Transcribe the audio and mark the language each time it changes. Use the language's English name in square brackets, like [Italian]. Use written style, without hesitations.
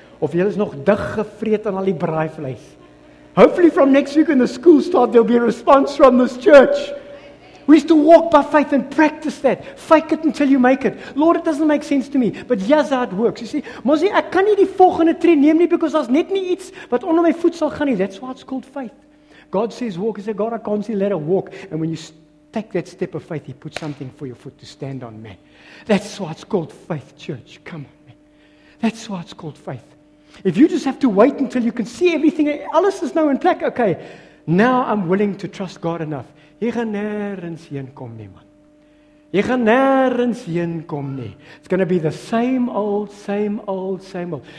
[Afrikaans] Of julle is nog dig gevreet aan al die braai vleis. [English] Hopefully from next week when the school starts, there'll be a response from this church. We used to walk by faith and practice that. Fake it until you make it. Lord, it doesn't make sense to me. But yes, how it works. You see, Mosi, [Afrikaans] ek kan nie die volgende tree neem nie, [English] because [Afrikaans] daar's net nie iets wat onder my voet sal gaan nie. [English] That's why it's called faith. God says walk. He said, God, I can't see, let it walk. And when you take that step of faith, He puts something for your foot to stand on, man. That's why it's called faith, church. Come on, man. That's why it's called faith. If you just have to wait until you can see everything, [Afrikaans] alles is nou in plek, [English] okay, now I'm willing to trust God enough. [Afrikaans] Jy gaan nêrens heen kom nie, [English] man. [Afrikaans] Jy gaan nêrens heen kom nie. [English] It's going to be the same old, same old, same old.